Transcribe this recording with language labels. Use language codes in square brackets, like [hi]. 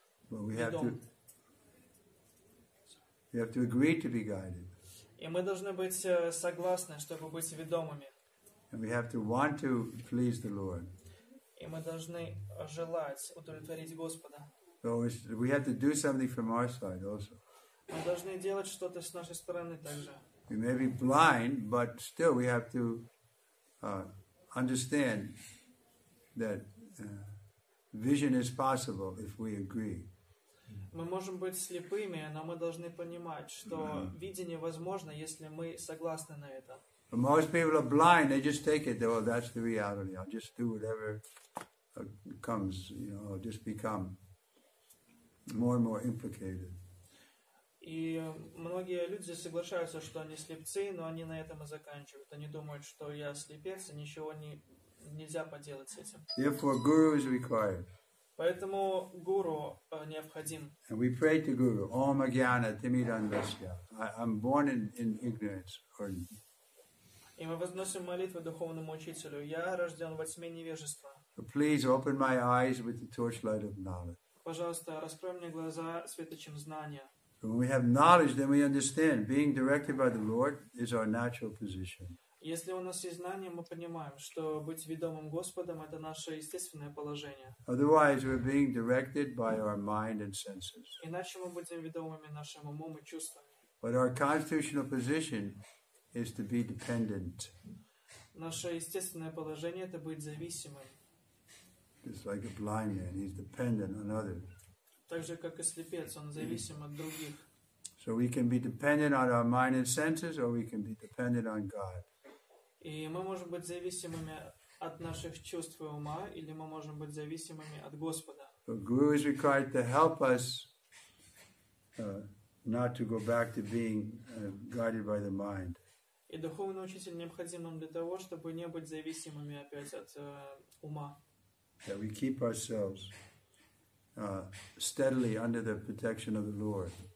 [en] But we have to agree to be guided. [ru] И мы должны быть согласны, чтобы быть ведомыми. [en] And we have to want to please the Lord. [ru] И мы должны желать удовлетворить Господа. [en] So we have to do something from our side also. [ru] Мы должны делать что-то с нашей стороны также. [en] We may be blind, but still we have to understand that vision is possible if we agree. [ru] Мы можем быть слепыми, но мы должны понимать, что видение возможно, если мы согласны на это. [en] Most people are blind, they just take it, well, that's the reality, I'll just do whatever comes, you know, I'll just become more and more implicated. [ru] И многие люди соглашаются, что они слепцы, но они на этом и заканчивают. Они думают, что я слепец, и ничего нельзя поделать с этим. [en] Therefore, guru is required. [ru] Поэтому гуру необходим. [en] And we pray to guru, [sa] Om Agyana Timirandasya. [en] I'm born in ignorance. [ru] И мы возносим молитву духовному учителю. Я рожден во тьме невежества. [en] Please open my eyes with the torchlight of knowledge. [ru] Пожалуйста, раскрой мне глаза светочем знания. [en] When we have knowledge, then we understand. Being directed by the Lord is our natural position. [ru] Если у нас есть знания, мы понимаем, что быть ведомым Господом — это наше естественное положение. [en] Otherwise, we're being directed by our mind and senses. [ru] Иначе мы будем ведомыми нашим умом и чувствами. [en] But our constitutional position is to be dependent. [ru] Наше естественное положение — это быть зависимым. [en] Just like a blind man, he's dependent on others. [ru] Так же, как и слепец, он зависим от других. [en] So we can be dependent on our mind and senses, or we can be dependent on God. [ru] И мы можем быть зависимыми от наших чувств и ума, или мы можем быть зависимыми от Господа. [en] So guru is required to help us not to go back to being guided by the mind. [ru] И духовный учитель необходим нам для того, чтобы не быть зависимыми опять от ума. [en] That we keep ourselves steadily under the protection of the Lord.